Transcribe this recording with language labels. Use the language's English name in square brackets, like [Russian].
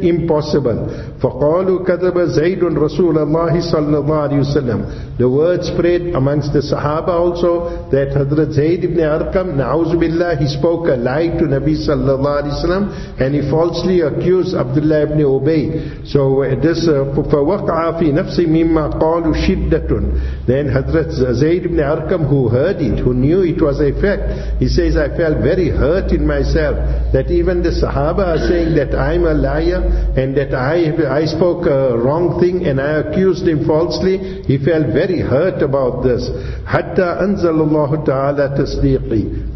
[English] Impossible. [Arabic] فَقَالُوا كَذَبَ زَيْدٌ رَسُولَ اللَّهِ صَلَّى اللَّهُ عَلَيْهِ وَسَلَّمُ. [English] The word spread amongst the Sahaba also that Hazrat Zayd ibn Arqam, na'uzu billah, he spoke a lie to Nabi sallallahu alayhi wa sallam and he falsely accused Abdullah ibn Ubay. So this [Arabic] فَوَقْعَ فِي نَفْسِ مِمَّا قَالُوا شِدَّةٌ. [English] Then Hazrat Zayd ibn Arqam, who heard it, who knew it was a fact, he says, I felt very hurt in myself that even the Sahaba are saying that I'm a liar and that I spoke a wrong thing and I accused him falsely. He felt very hurt about this. [Arabic] Hatta anzalallahu ta'ala tasdiqi.